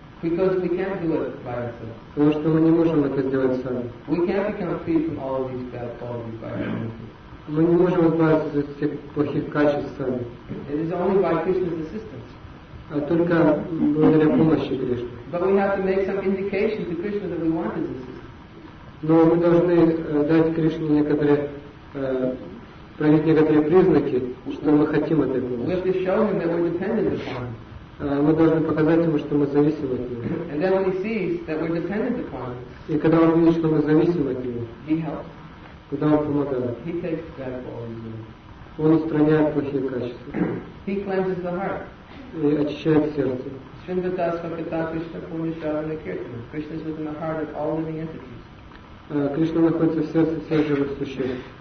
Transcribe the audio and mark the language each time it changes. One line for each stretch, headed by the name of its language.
English: Because we can't do it by ourselves.
Russian: Потому что мы не можем это сделать сами.
English: We can't become free from all of these bad qualities by ourselves.
Russian: Мы не можем избавиться от всех плохих качеств сами.
English: It is only by Krishna's assistance.
Russian: А только благодаря помощи Кришны.
English: But we have to make some indication to Krishna that we want his assistance.
Russian: Но мы должны дать Кришне некоторые проявить некоторые признаки, что мы хотим от этого.
English: We have to show him that we're dependent upon him.
Russian: Мы должны показать ему, что мы зависим от него.
English: And then when he sees that we're dependent upon him,
Russian: и когда он видит, что мы зависим от него,
English: he helps.
Russian: Когда он помогает,
English: he takes bad qualities.
Russian: Он устраняет плохие качества.
English: He cleanses the heart.
Russian: И очищает сердце.
Sanskrit: Śrīmad-bhāgavatam Krishna Purusharana Kirtana.
English: Krishna is within the heart of all living entities.
Russian: Кришна находится в сердце всех живых существ.